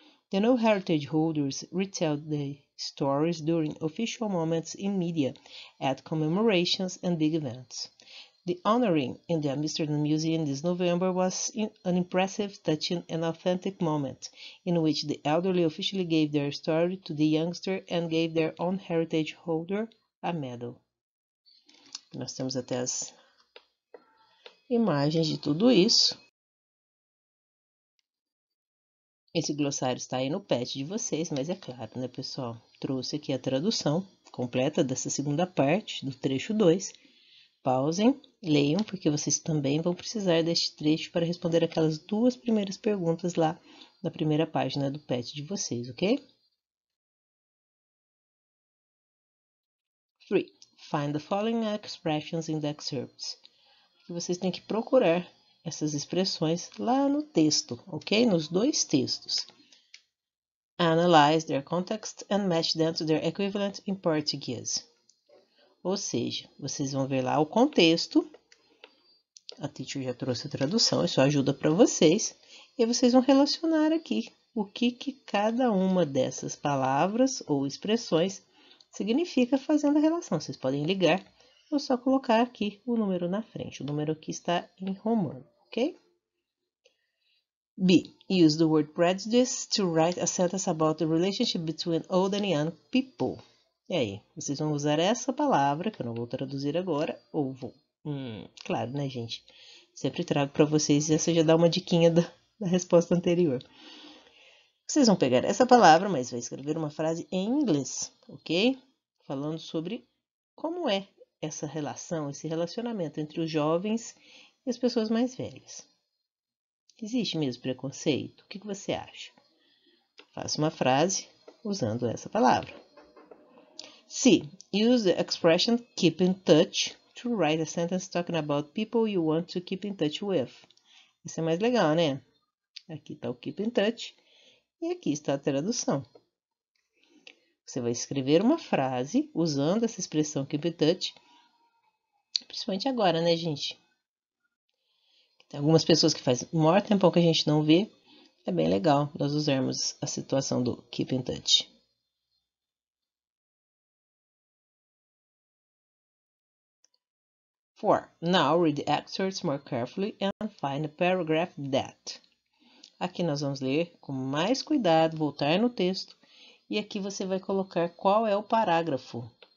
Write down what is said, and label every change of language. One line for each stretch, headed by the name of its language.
English: The new heritage holders retell the stories during official moments in media, at commemorations and big events. The honoring in the Amsterdam Museum this November was an impressive, touching, and authentic moment, in which the elderly officially gave their story to the youngster and gave their own heritage holder a medal.
Portuguese: Nós temos até as imagens de tudo isso. Esse glossário está aí no pet de vocês, mas é claro, né, pessoal? Trouxe aqui a tradução completa dessa segunda parte, do trecho 2. Pausem, leiam, porque vocês também vão precisar deste trecho para responder aquelas duas primeiras perguntas lá na primeira página do pet de vocês, ok?
English: 3. Find the following expressions in the excerpts.
Portuguese: Vocês têm que procurar essas expressões lá no texto, ok? Nos dois textos.
English: Analyze their context and match them to their equivalent in Portuguese.
Portuguese: Ou seja, vocês vão ver lá o contexto. A teacher já trouxe a tradução, isso ajuda para vocês. E vocês vão relacionar aqui o que, que cada uma dessas palavras ou expressões significa fazendo a relação. Vocês podem ligar ou só colocar aqui o número na frente, o número que está em romano. Ok? B.
English: Use the word prejudice to write a sentence about the relationship between old and young people.
Portuguese: E aí, vocês vão usar essa palavra, que eu não vou traduzir agora, ou vou... claro, né, gente? Sempre trago para vocês, e essa já dá uma diquinha da resposta anterior. Vocês vão pegar essa palavra, mas vai escrever uma frase em inglês, ok? Falando sobre como é essa relação, esse relacionamento entre os jovens e as pessoas mais velhas. Existe mesmo preconceito? O que você acha? Faça uma frase usando essa palavra. C.
English: Use the expression keep in touch to write a sentence talking about people you want to keep in touch with.
Portuguese: Isso é mais legal, né? Aqui está o keep in touch e aqui está a tradução. Você vai escrever uma frase usando essa expressão keep in touch, principalmente agora, né, gente? Tem algumas pessoas que faz o maior tempão que a gente não vê. É bem legal nós usarmos a situação do keep in touch.
English: Four. Now read the excerpts more carefully and find a paragraph that.
Portuguese: Aqui nós vamos ler com mais cuidado, voltar no texto. E aqui você vai colocar qual é o parágrafo.